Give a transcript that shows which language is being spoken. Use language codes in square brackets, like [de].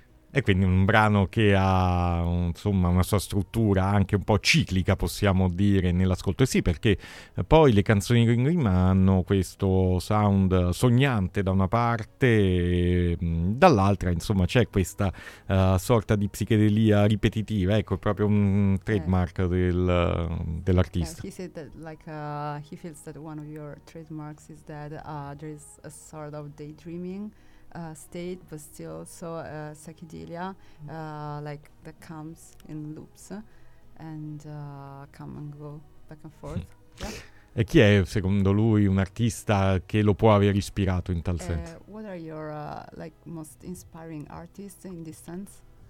[it] E quindi un brano che ha insomma una sua struttura anche un po' ciclica, possiamo dire, nell'ascolto. E sì, perché poi le canzoni di Green Grimm hanno questo sound sognante da una parte, dall'altra insomma c'è questa sorta di psichedelia ripetitiva, ecco, è proprio un trademark dell'artista. [en] Yeah, he said that like he feels that one of your trademarks is that there is a sort of daydreaming state, but still also psychedelia, like that comes in loops and come and go back and forth. Yeah. [it] E chi è secondo lui un artista che lo può aver ispirato in tal senso? [en] What are your like most inspiring artists in this sense?